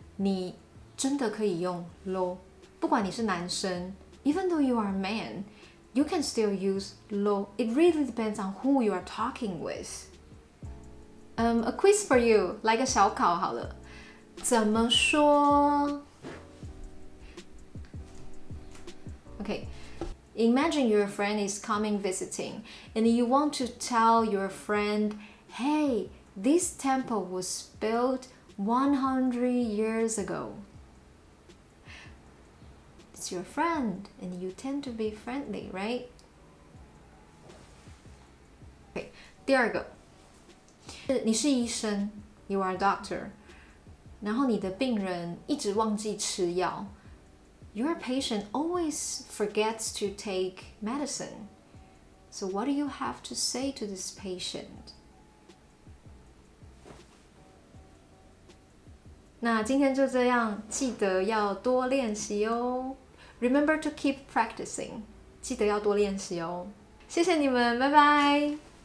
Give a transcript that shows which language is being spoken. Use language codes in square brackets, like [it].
[zh] 你真的可以用 lo， 不管你是男生 [en] ，even though you are a man， you can still use lo. It really depends on who you are talking with. A quiz for you， [zh] 来个小考好了。怎么说 [en] ？OK， imagine your friend is coming visiting， and you want to tell your friend， hey。 This temple was built 100 years ago. It's your friend, and you tend to be friendly, right? [zh] Okay, 第二个，你是医生 [en] you are a doctor. [zh] 然后你的病人一直忘记吃药 [en] your patient always forgets to take medicine. So what do you have to say to this patient? [zh] 那今天就这样，记得要多练习哦。 [en] Remember to keep practicing， [zh] 记得要多练习哦。谢谢你们，拜拜。